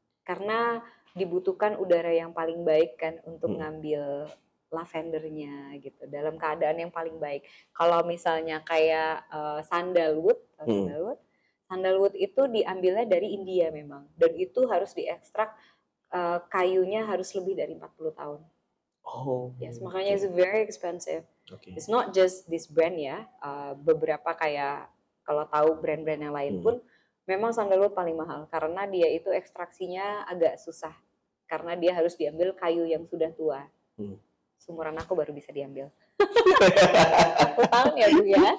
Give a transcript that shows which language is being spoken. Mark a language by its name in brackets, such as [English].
[Indonesian] Karena dibutuhkan udara yang paling baik kan untuk ngambil lavendernya gitu. Dalam keadaan yang paling baik. Kalau misalnya kayak sandalwood. Sandalwood itu diambilnya dari India memang. Dan itu harus diekstrak kayunya harus lebih dari 40 tahun. Oh, [English] yes, [Indonesian] makanya [English] okay. It's very expensive. Okay. It's not just this brand ya. [Indonesian] Beberapa kayak kalau tahu brand-brand yang lain pun, memang sandalwood paling mahal karena dia itu ekstraksinya agak susah karena dia harus diambil kayu yang sudah tua. Seumuran aku baru bisa diambil. 40 tahun ya, Bu ya?